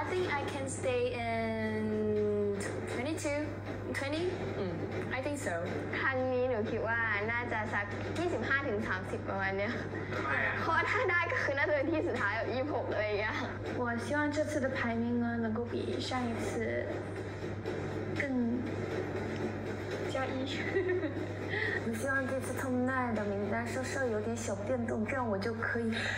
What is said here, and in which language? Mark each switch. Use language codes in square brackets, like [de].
[en] I think I can stay in 22 20 I think so [th] ครั้งนี้หนูคิดว่าน่าจะสัก25ถึง30ประมาณเนี้ยเพราะถ้าได้ก็คือน่าจะเป็นที่สุดท้าย26อะไรอย่างเงี้ย [zh] 我希望这次的排名呢能够比上一次更加一我希望这次 Top 9的名单稍稍有点小变动这样我就可以